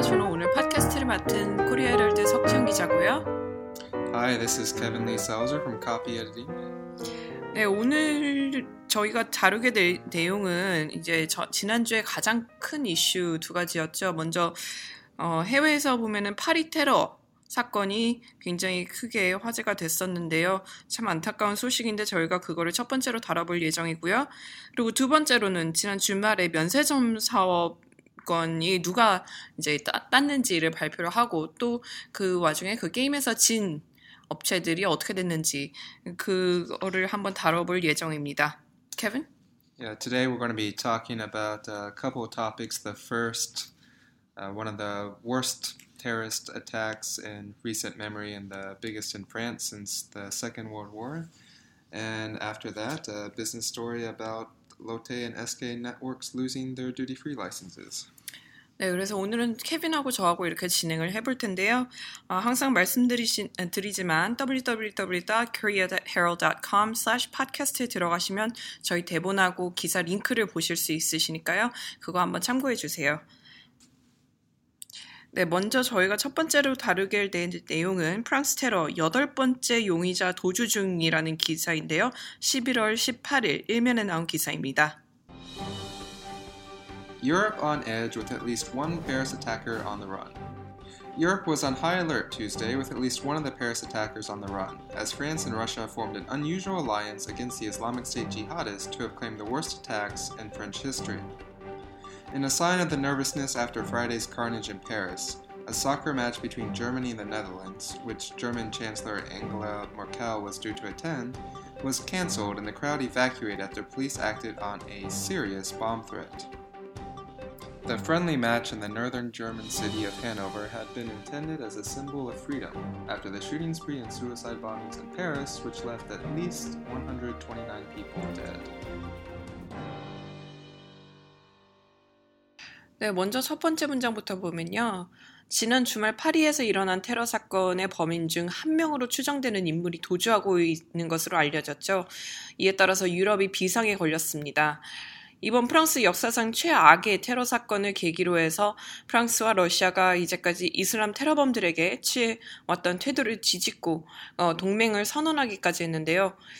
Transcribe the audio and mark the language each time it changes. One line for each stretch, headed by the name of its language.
Korean: 저는 오늘 팟캐스트를 맡은 코리아헤럴드 석지훈 기자고요.
English: Hi, this is Kevin Lee Salzer from Copy Editing.
Korean: 네, 오늘 저희가 다루게 될 내용은 이제 지난주에 가장 큰 이슈 두 가지였죠. 먼저 해외에서 보면은 파리 테러 사건이 굉장히 크게 화제가 됐었는데요. 참 안타까운 소식인데 저희가 그거를 첫 번째로 다뤄볼 예정이고요. 그리고 두 번째로는 지난 주말에 면세점 사업권이 누가 이제 땄는지를 발표를 하고 또 그 와중에 그 게임에서 진 업체들이 어떻게 됐는지 그거를 한번 다뤄볼 예정입니다.
English: Kevin? Yeah, today we're going to be talking about a couple of topics. The first, one of the worst terrorist attacks in recent memory and the biggest in France since the Second World War. And after that, a business story about Lotte and SK Networks losing their duty-free licenses.
Korean: 네, 그래서 오늘은 케빈하고 저하고 이렇게 진행을 해볼 텐데요. 항상 말씀드리지만 www.korea.herald.com/podcast에 들어가시면 저희 대본하고 기사 링크를 보실 수 있으시니까요. 그거 한번 참고해 주세요. 네, 먼저 저희가 첫 번째로 다루게 될 내용은 프랑스 테러 여덟 번째 용의자 도주 중이라는 기사인데요. 11월 18일 일면에 나온 기사입니다.
English: Europe on edge with at least one Paris attacker on the run. Europe was on high alert Tuesday with at least one of the Paris attackers on the run, as France and Russia formed an unusual alliance against the Islamic State jihadists to have claimed the worst attacks in French history. In a sign of the nervousness after Friday's carnage in Paris, a soccer match between Germany and the Netherlands, which German Chancellor Angela Merkel was due to attend, was cancelled and the crowd evacuated after police acted on a serious bomb threat. The friendly match in the northern German city of Hanover had been intended as a symbol of freedom after the shooting spree and suicide bombings in Paris, which left at least 129 people dead.
Korean: 네, 먼저 첫 번째 문장부터 보면요. 지난 주말 파리에서 일어난 테러 사건의 범인 중 한 명으로 추정되는 인물이 도주하고 있는 것으로 알려졌죠. 이에 따라서 유럽이 비상에 걸렸습니다. 이번 프랑스 역사상 최악의 테러 사건을 계기로 해서 프랑스와 러시아가 이제까지 이슬람 테러범들에게 취해왔던 태도를 뒤집고 동맹을 선언하기까지 했는데요.